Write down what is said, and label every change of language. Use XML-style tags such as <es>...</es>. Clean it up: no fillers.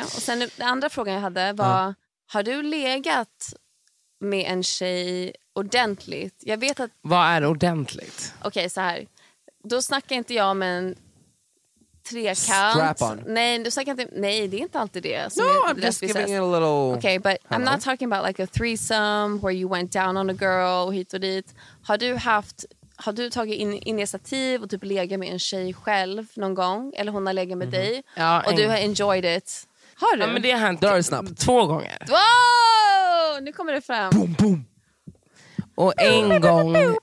<sv>Och sen den andra frågan jag hade var, har du legat med en tjej ordentligt? Jag vet att... Vad är ordentligt? Okej, så här. Då snackar inte jag med en trekant. Strap on. Nej, du snackar inte... Nej, det är inte alltid det.</sv> <en>No, I'm just giving it a little... Okay, but I'm not talking about like a threesome where you went down on a girl</en> <sv>hit och dit. Har du tagit initiativ och typ legat med en tjej själv någon gång? Eller hon har legat med dig? Ja, och du har</sv> <en>enjoyed it?</en> <sv>Har du? Ja, men det har hänt. Det har det snabbt. Två gånger. Wow! Nu kommer det fram. Boom, boom. Och en gång.</sv>